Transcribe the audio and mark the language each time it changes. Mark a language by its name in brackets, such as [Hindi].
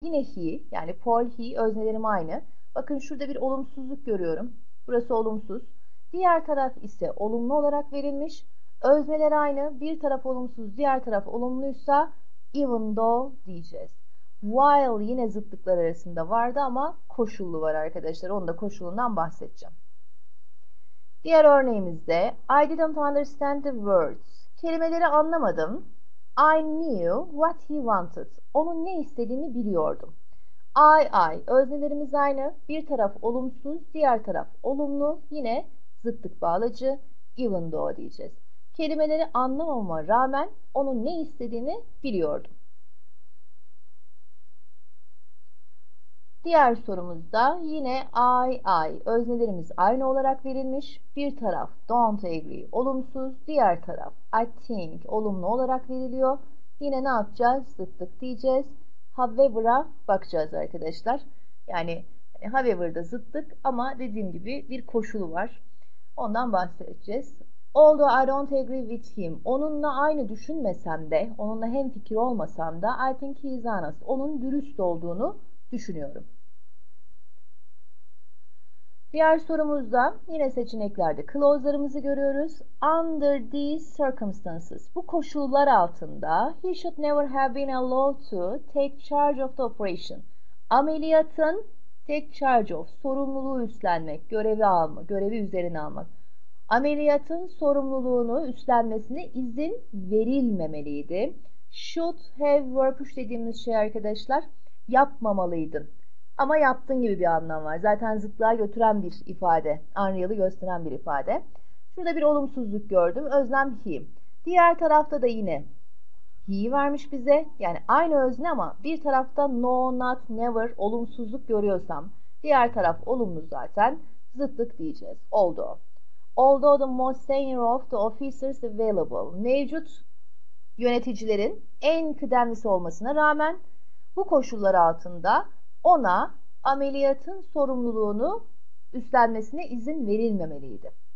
[Turkish] Yine he, yani Paul he, öznelerim aynı. Bakın şurada bir olumsuzluk görüyorum. Burası olumsuz. Diğer taraf ise olumlu olarak verilmiş. Özneler aynı. Bir taraf olumsuz, diğer taraf olumluysa even though diyeceğiz. While yine zıtlıklar arasında vardı ama koşullu var arkadaşlar. Onu da koşulundan bahsedeceğim. Diğer örneğimizde [English] I didn't understand the words. [Turkish] Kelimeleri anlamadım. [English] I knew what he wanted. [Turkish] Onun ne istediğini biliyordum. Öznelerimiz aynı. Bir taraf olumsuz, diğer taraf olumlu. Yine zıtlık bağlacı, even though diyeceğiz. Kelimeleri anlamama rağmen onun ne istediğini biliyordum. Diğer sorumuzda yine öznelerimiz aynı olarak verilmiş. Bir taraf don't agree, olumsuz. Diğer taraf I think, olumlu olarak veriliyor. Yine ne yapacağız? Zıttık diyeceğiz. However'a bakacağız arkadaşlar. Yani however'da zıttık ama dediğim gibi bir koşulu var. Ondan bahsedeceğiz. [English] Although I don't agree with him. [Turkish] Onunla aynı düşünmesem de, onunla hemfikir olmasam da [English] I think he is honest. [Turkish] Onun dürüst olduğunu düşünüyorum. Diğer sorumuzda yine seçeneklerde clause'larımızı görüyoruz. [English] Under these circumstances, [Turkish] bu koşullar altında [English] he should never have been allowed to take charge of the operation. [Turkish] Ameliyatın [English] take charge of, [Turkish] sorumluluğu üstlenmek, görevi alma, görevi üzerine almak. Ameliyatın sorumluluğunu üstlenmesine izin verilmemeliydi. Should have verpuş dediğimiz şey arkadaşlar, yapmamalıydın. Ama yaptığın gibi bir anlam var. Zaten zıtlığa götüren bir ifade. Unreal'ı gösteren bir ifade. Şurada bir olumsuzluk gördüm. Öznem he. Diğer tarafta da yine he vermiş bize. Yani aynı özne ama bir tarafta no, not, never olumsuzluk görüyorsam diğer taraf olumlu zaten. Zıtlık diyeceğiz. Although. [English] Although the most senior of the officers available. [Turkish] Mevcut yöneticilerin en kıdemlisi olmasına rağmen bu koşullar altında ona ameliyatın sorumluluğunu üstlenmesine izin verilmemeliydi.